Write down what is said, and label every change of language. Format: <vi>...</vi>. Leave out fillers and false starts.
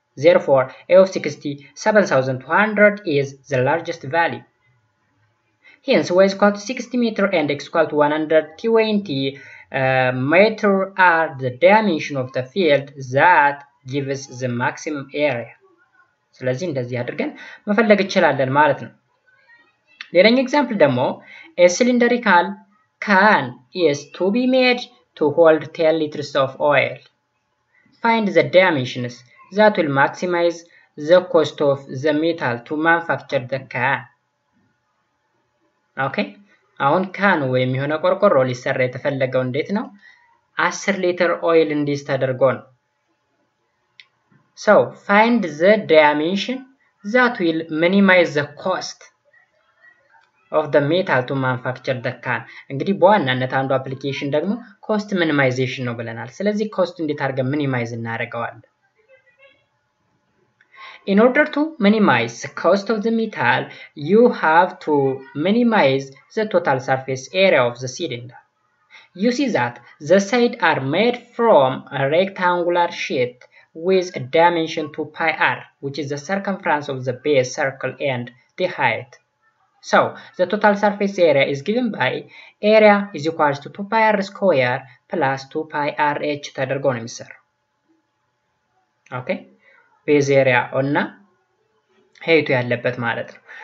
<en>Therefore, a of 60 7200 is the largest value. Hence, y is equal to 60 meter and x equal to 120 meter are the dimension of the field that gives the maximum area.</en> <am>ስለዚህ እንደዚህ አድርገን መፈለግ እንችላለን ማለት ነው. ሌላኛው ኤግዛምፕል ደግሞ</am> <en>a cylindrical can is to be made to hold 10 liters of oil. Find the dimensions that will maximize the cost of the metal to manufacture the can. Okay?</en> <am>አሁን ካን ወይም የሆነ ቆርቆሮ ሊሰራ የተፈለገው እንዴት ነው? 10 ሊትር ኦይል እንዴት ተደርጎ ነው?</am> <en>So, find the dimension that will minimize the cost of the metal to manufacture the can.</en> <am>እንግዲህ በዋናነት አንዱ አፕሊኬሽን ደግሞ cost minimization ነው ብለናል. ስለዚህ cost እንዴት አድርገን minimize እናደርገዋለን?</am> <en>In order to minimize the cost of the metal, you have to minimize the total surface area of the cylinder. You see that the sides are made from a rectangular sheet with a dimension 2 pi r, which is the circumference of the base circle and the height. So, the total surface area is given by area is equal to 2 pi r square plus 2 pi r h</en> <am>ተደርጎ ነው የሚሰራው.</am> <en>Okay?</en> <am>Base area እና height ያለበት ማለት ነው.</am>